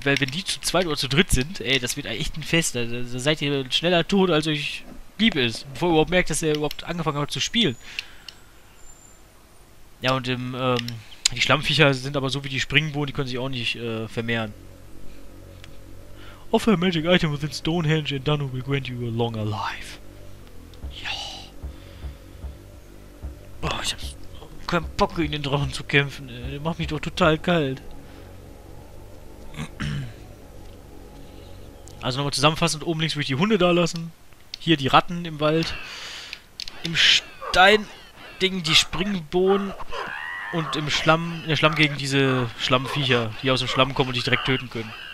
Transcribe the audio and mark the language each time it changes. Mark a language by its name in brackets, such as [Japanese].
[German] Weil wenn die zu zweit oder zu dritt sind, ey, das wird echt ein Fest. Da seid ihr schneller tot, als euch lieb ist. Bevor ihr überhaupt merkt, dass ihr überhaupt angefangen habt zu spielen. Ja, und im die Schlammviecher sind aber so wie die Springbohnen, die können sich auch nicht vermehren. [English] Offer a magic item within Stonehenge and Dunno will grant you a longer life. [German] Ja. Boah, ich hab keinen Bock, in den Drachen zu kämpfen. Der macht mich doch total kalt. Also nochmal zusammenfassend, oben links würde ich die Hunde da lassen. Hier die Ratten im Wald. Im Stein-Ding die Springbohnen. Und im Schlamm, in der Schlammgegend diese Schlammviecher, die aus dem Schlamm kommen und dich direkt töten können.